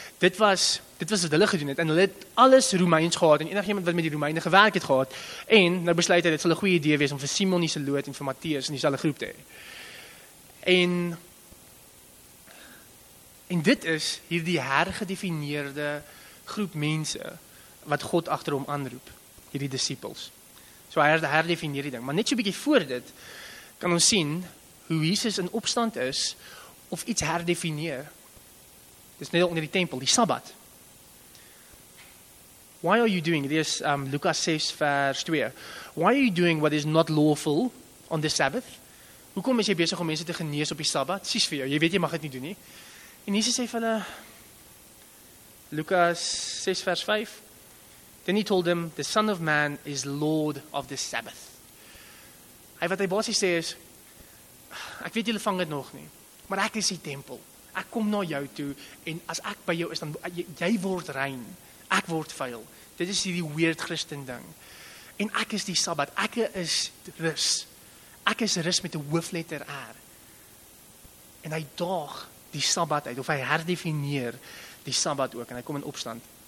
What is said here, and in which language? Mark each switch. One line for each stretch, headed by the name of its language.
Afrikaans: Dit was wat hulle gedoen het, en hulle het alles Romeins gehad, en enig iemand wat met die Romeine gewerk het gehad, en nou besluit hy, dit sal 'n goeie idee wees om vir Simon die Zeloot en vir Matteus in dieselfde groep te hê. En dit is hier die hergedefinieerde groep mense wat God agter hom aanroep, hierdie disciples. So hy het herdefinieer die ding. Maar net so bietjie voor dit, kan ons sien hoe Jesus in opstand is of iets herdefinieer. Dit is net onder die tempel, die Sabbat.
English: Why are you doing,
Afrikaans: dit is Lukas 6 vers 2.
English: Why are you doing what is not lawful on the Sabbath?
Afrikaans: Hoekom is jy besig om mense te genees op die Sabbat? Sies vir jou, jy weet jy mag dit nie doen nie. En Jesus sê vir hulle,
English: Lukas 6 vers 5, then he told them, the son of man is Lord of the Sabbath.
Afrikaans: Wat hy basis sê is, ek weet julle vang het nog nie, maar ek is die tempel, ek kom na jou toe, en as ek by jou is, dan jy word rein, ek word vuil, dit is die weird Christen ding, en ek is die Sabbat, ek is rus, ek is rus met die hoofletter R, en hy daag, die Sabbat uit, of hy herdefinieer die Sabbat ook, en hy kom in opstand.